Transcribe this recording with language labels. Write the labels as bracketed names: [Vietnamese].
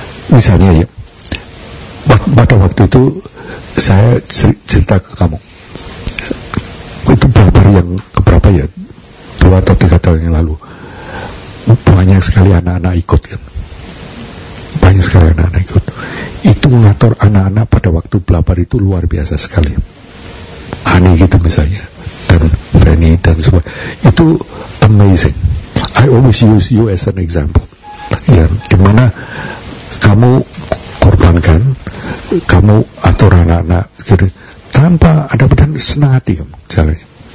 [Indonesian] Misalnya ya, pada waktu itu saya cerita ke kamu, itu beberapa yang keberapa ya, 2 atau 3 tahun yang lalu, banyak sekali anak-anak ikut kan, banyak sekali anak-anak ikut. Itu ngatur anak-anak pada waktu belajar itu luar biasa sekali. Ani gitu misalnya, dan Fanny dan semua, itu amazing. [English] I always use you as an example. [Indonesian] Ya, dimana kamu korbankan, kamu atur anak-anak gitu, tanpa ada badan senang hati kamu caranya.